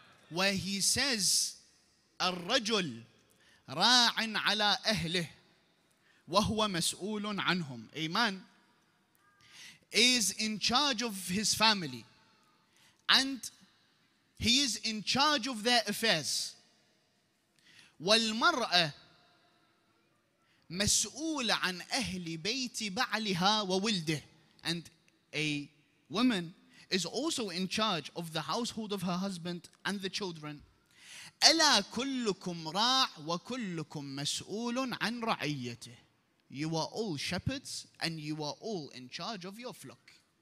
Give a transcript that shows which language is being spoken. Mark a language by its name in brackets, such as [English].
[English] Where he says, [Arabic] الرجل راع على أهله وهو مسؤول عنهم. [English] A man is in charge of his family and he is in charge of their affairs. [Arabic] والمرأة مسؤول عن أهل بيت بعلها وولده. [English] And a woman is also in charge of the household of her husband and the children. [Arabic] أَلَا كُلُّكُمْ رَاعْ وَكُلُّكُمْ مَسْؤُولٌ عَنْ رَعِيَّتِهِ. [English] You are all shepherds and you are all in charge of your flock.